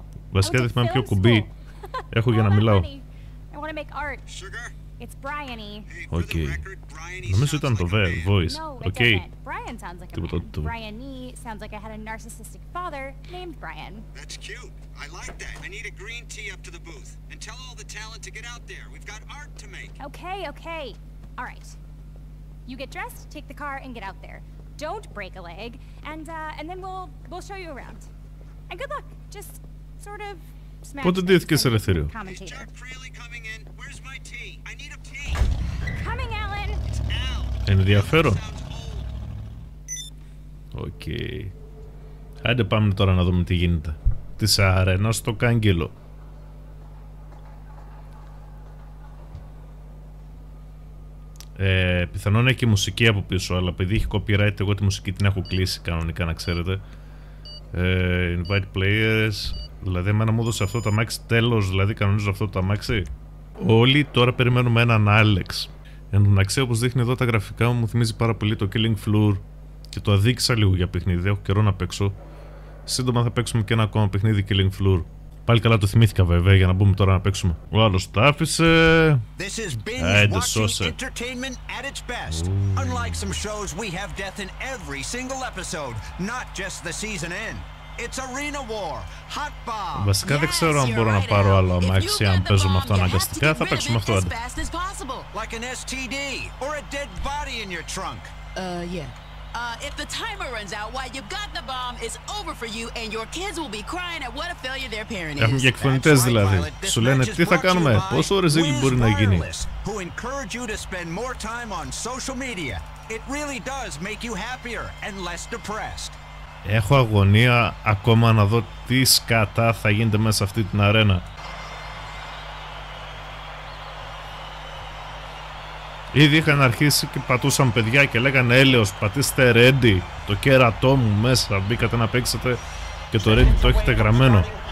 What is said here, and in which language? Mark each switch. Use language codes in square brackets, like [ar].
[el] Βασικά δεν θυμάμαι ποιο κουμπί έχω για να μιλάω. [en] I want to make art. Sugar? It's Bryony. Okay. [el] Νομίζω ήταν το voice. [en] Okay. Brian sounds like a man. Bryony sounds like I had a narcissistic father named Brian. That's cute. I like that. I need a green tea up to the booth. And tell all the talent to get out there. We've got art to make. Okay, okay. All right. You get dressed, take the car and get out there. Don't break a leg, and then we'll show you around. And good luck. Just sort of smash. [el] Πότε ντύθηκες, Ελευθερίου? [en] Is Jack Freely coming in? Where's my tea? I need a tea. Coming, Alan. [el] Ενδιαφέρον. [en] Okay. [el] Άντε πάμε τώρα να δούμε τι γίνεται. Τη αρένα στο κάγκελο. Πιθανόν έχει και μουσική από πίσω, αλλά επειδή έχει copyright, εγώ τη μουσική την έχω κλείσει κανονικά, να ξέρετε. [en] Invite players. [el] Δηλαδή, εμένα μου έδωσε αυτό το αμάξι. Τέλος, δηλαδή, κανονίζω αυτό το αμάξι. Όλοι τώρα περιμένουμε έναν Alex. Εν τω μεταξύ, όπως δείχνει εδώ τα γραφικά μου, θυμίζει πάρα πολύ το Killing Floor και το αδείξα λίγο για παιχνίδι. Έχω καιρό να παίξω. Σύντομα θα παίξουμε και ένα ακόμα παιχνίδι Killing Floor. Πάλι καλά το θυμήθηκα βέβαια για να μπούμε τώρα να παίξουμε. Ο άλλος τα άφησε. [en] This is Binge Watching Entertainment at its best. Ooh. Unlike some shows, we have death in every single episode, not just the season end. It's Arena War. Hot bomb. [el] Βασικά δεν ξέρω αν μπορώ να πάρω άλλο αμάξι, αν παίζουμε αυτό αναγκαστικά, θα παίξουμε αυτό άντε. [en] Like an STD or a dead body in your trunk. Yeah. If the timer runs out, why you've got the bomb is over for you and your kids will be crying at what a failure their parent is. [el] Έχουμε και εκφωνητές δηλαδή. Σου λένε τι θα κάνουμε, πόσο ρεζίλι μπορεί να γίνει. [en] Who encourage you to spend more time on social media. It really does make you happier and less depressed. [el] Έχω αγωνία ακόμα να δω τι σκατά θα γίνεται μέσα σε αυτή την αρένα. Ήδη είχαν αρχίσει και πατούσαν παιδιά και λέγανε «Έλεος, πατήστε ready, το κέρατό μου μέσα, μπήκατε να παίξετε και το ready το έχετε γραμμένο».